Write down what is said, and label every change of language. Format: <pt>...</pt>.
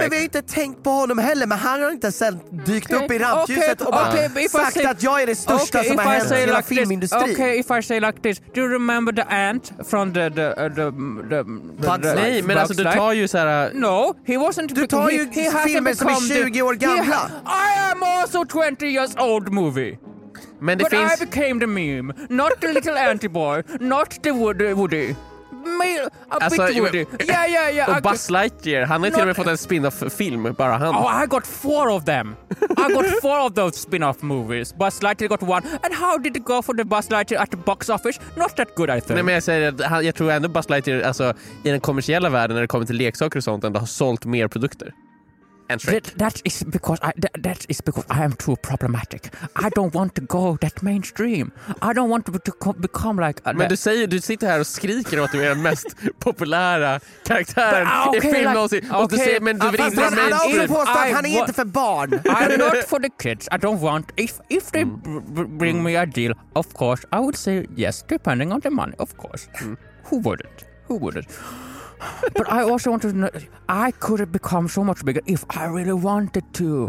<sv>Men vi har inte tänkt på honom heller, men han har inte sen dykt upp i rampljuset sagt att jag är det största som har hänt i hela filmindustrin.</sv> <en>Okay, if I say like this, do you remember the ant from the</en> <sv>Nej, men alltså du tar ju så här.</sv> <en>No, he wasn't.</en> <sv>Du tar ju filmen som är 20 år gamla.</sv> <en>I am also 20 years old movie.</en> <sv>Men</sv> <en>but</en> <sv>finns...</sv> <en>I became the meme, not the little anty boy, not the Woody.</en> <sv>Och Buzz Lightyear, han har till och med fått en spin-off-film. Bara han.</sv> <en>Oh, I got 4 of them. I got 4 of those spin-off movies. Buzz Lightyear got 1. And how did it go for the Buzz Lightyear at the box office? Not that good, I think.</en> <sv>Nej, men jag säger, jag tror ändå Buzz Lightyear, alltså, i den kommersiella världen, när det kommer till leksaker och sånt, ändå har sålt mer produkter.</sv> <en>That is because I am too problematic. I don't want to go that mainstream. I don't want to become like</en> <sv>Men du säger, du sitter här och skriker om att du är den mest populära karaktären i film någonsin. Och du säger, men du vill inte vara mainstream. Han har också påstått att han är inte för barn.</sv> <en>I'm not for the kids. I don't want, if they bring me a deal, of course, I would say yes, depending on the money, of course. Who wouldn't? But I also want to know, I could have become so much bigger if I really wanted to.</en>